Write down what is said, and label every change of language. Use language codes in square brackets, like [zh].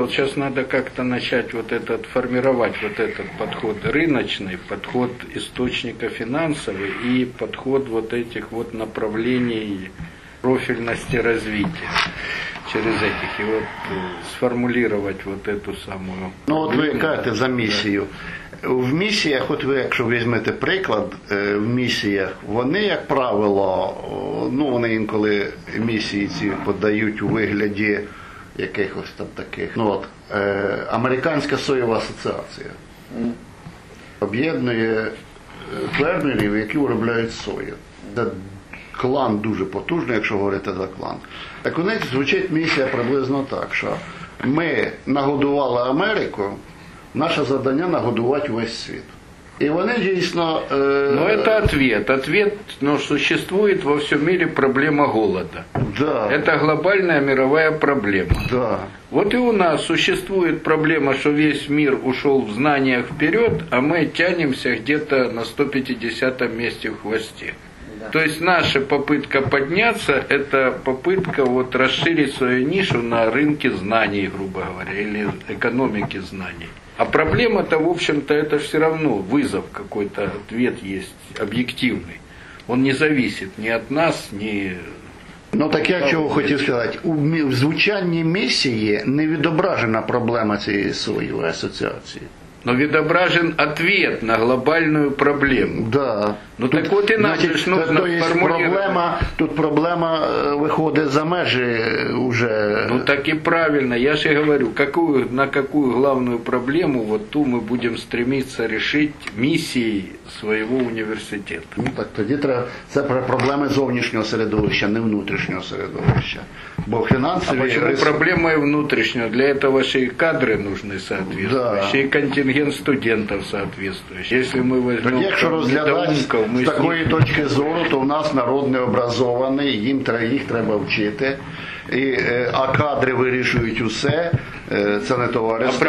[ru] Вот сейчас надо как-то начать вот этот, формировать вот этот подход рыночный, подход источника финансовый и подход вот этих вот направлений профильности развития. Через этих. И вот сформулировать вот эту самую... Ну вот вы как-то за миссию... [uk] В місіях, от ви, якщо візьмете приклад, в місіях, вони, як правило, ну, вони інколи місії ці подають у вигляді якихось там таких. Ну, от, Американська соєва асоціація об'єднує фермерів, які виробляють сою. Це клан дуже потужний, якщо говорити за клан. Так у них звучить місія приблизно так, що ми нагодували Америку, наше завдання – нагодувати весь світ. І вони дійсно… Ну, це відповідь. Відповідь, ну, существує во всьому світі проблема голоду. [ru] Да. [uk] Це глобальна мировая проблема. [ru] Да. [uk] От і у нас існує проблема, що весь світ ушов в знаннях вперед, а ми тянемося где-то на 150-му місці в хвості. [ru] Да. То есть наша попытка подняться, это попытка вот расширить свою нишу на рынке знаний, грубо говоря, или экономике знаний. А проблема-то, в общем-то, это все равно вызов какой-то, ответ есть объективный. Он не зависит ни от нас, ни... Ну так я чего хотел сказать, в звучании миссии [uk] не відображена проблема цієї своєї асоціації. [ru] Но відображен ответ на глобальную проблему. Да. Ну так вот и наше ж нужно формулировать. Тут проблема выходит за межи уже. Ну так и правильно. Я же говорю, на какую главную проблему вот ту мы будем стремиться решить миссией своего университета. [uk] Ну так тоді треба про проблеми зовнішнього середовища, не внутрішнього середовища. Бо фінансові... [ru] А почему проблема и внутрішнього? Для этого ще и кадри нужны соответствующие. Да. Ще и контингент студентов соответствующий. Если мы возьмем... [uk] Якщо розглядати з такої точки зору, то в нас народ не образований, їх треба вчити, а кадри вирішують усе, це не товариство.